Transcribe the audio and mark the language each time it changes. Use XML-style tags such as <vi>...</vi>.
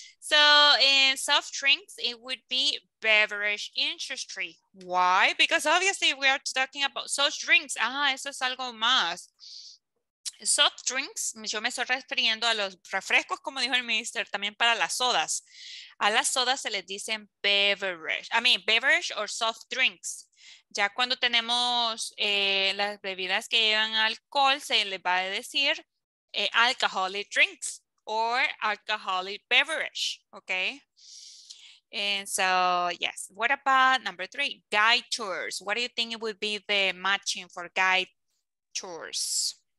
<en>So in soft drinks, it would be beverage industry. Why? Because obviously we are talking about soft drinks.</en> <es>Eso es algo más. Soft drinks, yo me estoy refiriendo a los refrescos, como dijo el mister, también para las sodas. A las sodas se les dicen</es> <en>beverage or soft drinks.</en> <es>Ya cuando tenemos las bebidas que llevan alcohol, se les va a decir</es> <en>alcoholic drinks or alcoholic beverage,</en> <es>okay?</es> <en>And so, yes. What about number three, guide tours? What do you think it would be the matching for guide tours?</en>